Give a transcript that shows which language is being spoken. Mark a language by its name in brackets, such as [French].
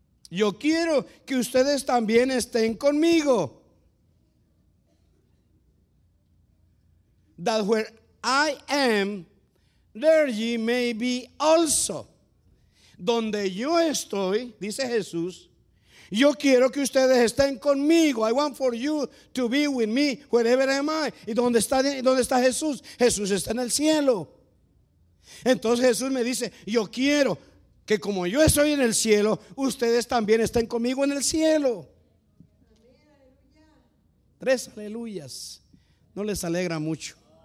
[Spanish] Yo quiero que ustedes también estén conmigo. [English] That where I am, there ye may be also. [Spanish] Donde yo estoy, dice Jesús, yo quiero que ustedes estén conmigo. [English] I want for you to be with me wherever am I. [Spanish] ¿Y dónde está Jesús? Jesús está en el cielo. Entonces Jesús me dice, yo quiero que como yo estoy en el cielo, ustedes también estén conmigo en el cielo. Tres aleluyas. No les alegra mucho.